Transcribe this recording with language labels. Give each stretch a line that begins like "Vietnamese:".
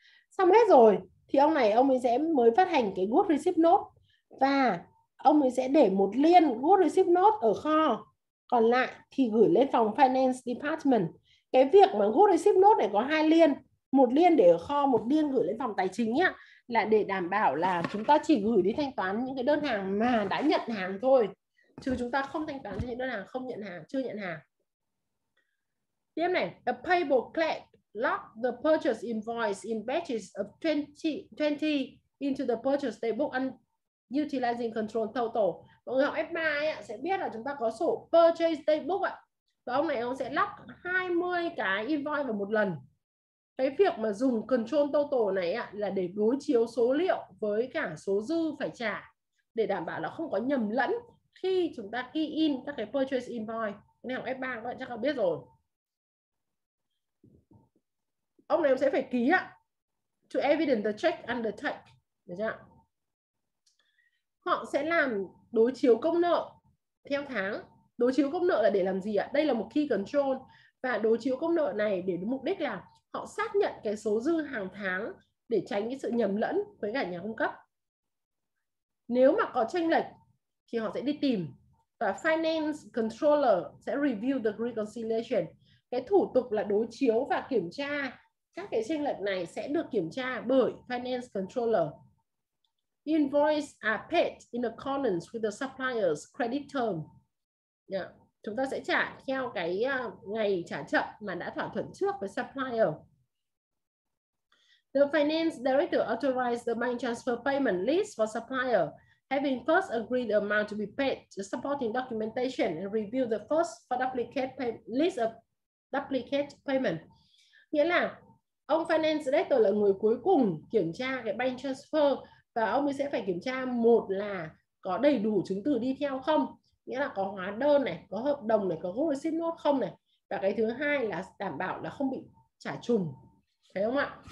Vietnamese: Xong hết rồi thì ông này ông ấy sẽ mới phát hành cái good receipt note, và ông ấy sẽ để một liên good receipt note ở kho, còn lại thì gửi lên phòng finance department. Cái việc mà good receipt note này có hai liên, một liên để ở kho, một liên gửi lên phòng tài chính ấy, là để đảm bảo là chúng ta chỉ gửi đi thanh toán những cái đơn hàng mà đã nhận hàng thôi, chứ chúng ta không thanh toán cho những đơn hàng không nhận hàng, chưa nhận hàng. Tiếp này,
English: the payable clerk lock the purchase invoice in batches of 20 into the purchase table utilizing control total.
Vietnamese: Mọi người học F3 ấy, sẽ biết là chúng ta có sổ purchase table ạ. Và ông này ông sẽ lock 20 cái invoice vào một lần. Cái việc mà dùng control total này ạ là để đối chiếu số liệu với cả số dư phải trả để đảm bảo là không có nhầm lẫn khi chúng ta key in các cái purchase invoice. Nào F3 các bạn chắc là biết rồi. Ông này ông sẽ phải ký ạ.
English: To evidence the check undertake.
Vietnamese: Được chưa ạ? Họ sẽ làm đối chiếu công nợ theo tháng. Đối chiếu công nợ là để làm gì ạ? Đây là một key control. Và đối chiếu công nợ này để mục đích là họ xác nhận cái số dư hàng tháng để tránh cái sự nhầm lẫn với cả nhà cung cấp. Nếu mà có chênh lệch thì họ sẽ đi tìm. Và finance controller sẽ
English: review the reconciliation.
Vietnamese: Cái thủ tục là đối chiếu và kiểm tra các cái chênh lệch này sẽ được kiểm tra bởi finance controller.
English: invoice are paid in accordance with the supplier's credit term. Yeah.
Vietnamese: Chúng ta sẽ trả theo cái ngày trả chậm mà đã thỏa thuận trước với supplier.
English: The finance director authorized the money transfer payment list for supplier, having first agreed the amount to be paid, the supporting documentation, and review the first for duplicate pay- list of duplicate payment.
Vietnamese: Nghĩa là ông finance director là người cuối cùng kiểm tra cái bank transfer và ông ấy sẽ phải kiểm tra một là có đầy đủ chứng từ đi theo không, nghĩa là có hóa đơn này, có hợp đồng này, có hồ sơ xin nốt không này, và cái thứ hai là đảm bảo là không bị trả trùng, thấy không ạ?